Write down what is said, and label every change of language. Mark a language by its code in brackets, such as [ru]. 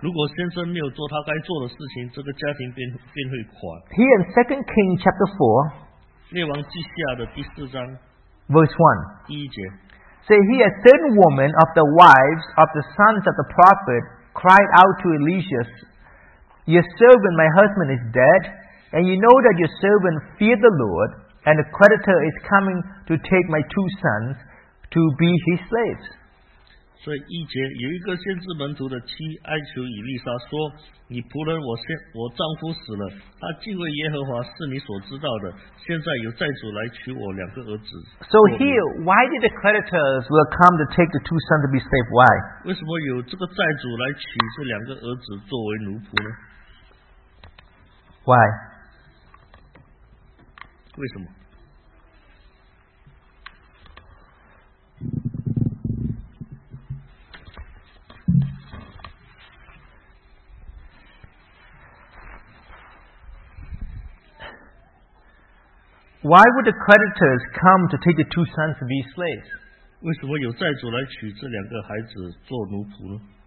[zh] 如果先生没有做他该做的事情，这个家庭便会垮。 [en] Here in 2 Kings chapter 4. [zh] 列王记下的第四章。 [en] Verse 1. [zh] 第一节。 [en] So here, certain women of the wives of the sons of the prophet cried out to Elisha, Your servant, my husband, is dead, and you know that your servant feared the Lord, and the creditor is coming to take my two sons to be his slaves. [zh] 所以一节有一个先知门徒的妻哀求以利沙说，你仆人我丈夫死了，他敬畏耶和华是你所知道的，现在有债主来娶我两个儿子。 [en] So here, why did the creditors will come to take the two sons to be slave? Why? [zh] 为什么有这个债主来娶这两个儿子作为奴仆呢？ [en] Why? [zh] 为什么？ [en] Why would the creditors come to take the two sons to be slaves? [zh] 为什么有债主来娶这两个孩子做奴仆呢？